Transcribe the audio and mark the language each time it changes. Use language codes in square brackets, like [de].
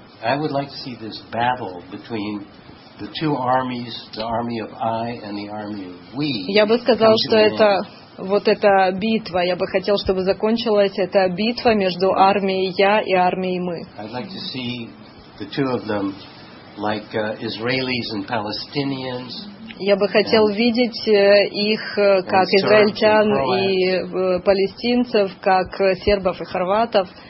[en] I would like to see this battle between the two armies, the army of I and the army of we. [ru] Я бы сказал, что это вот эта битва. Я бы хотел, чтобы закончилась эта битва между армией я и армией мы. [en] I'd like to see the two of them like Israelis and Palestinians. [ru] Я бы хотел видеть их как израильтян и палестинцев, как сербов и хорватов.